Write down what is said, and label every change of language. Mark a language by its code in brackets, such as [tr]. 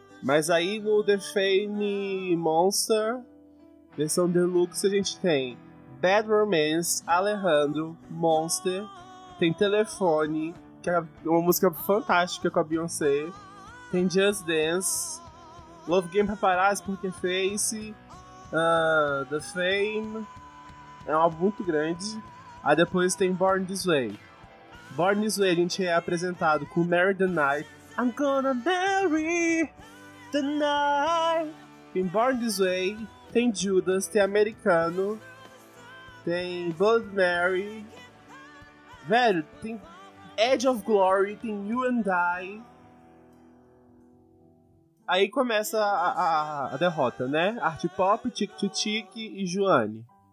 [pt] Mas aí no The Fame Monster, versão deluxe, a gente tem Bad Romance, Alejandro, Monster, tem Telefone, que é uma música fantástica com a Beyoncé. Tem Just Dance, Love Game Paparazzi, Poker Face, The Fame, é um álbum muito grande. Aí depois tem Born This Way. Born This Way a gente é apresentado com Marry The Night. [en] I'm gonna marry the night. [pt] Tem Born This Way, tem Judas, tem Americano, tem Blood Mary. Velho, tem Edge of Glory, tem You and I. Aí começa a derrota, né? Art Pop, Tic to Tic e Joanne.